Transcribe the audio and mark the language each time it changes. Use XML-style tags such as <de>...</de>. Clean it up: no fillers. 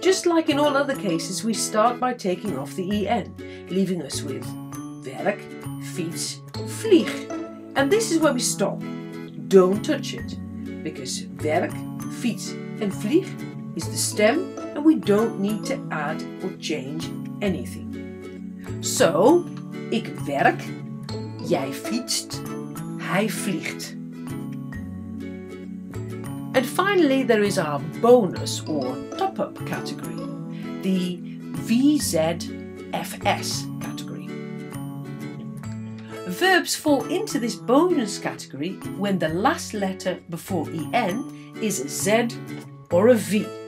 <en>Just like in all other cases, we start by taking off the EN, leaving us with werk, fiets, vlieg. And this is where we stop. Don't touch it, because werk, fiets, and vlieg is the stem, and we don't need to add or change anything.</en> <nl>So, ik werk, jij fietst, hij vliegt.</nl> <en>And finally, there is our bonus or top-up category, the VZFS category. Verbs fall into this bonus category when the last letter before EN is a Z or a V.</en>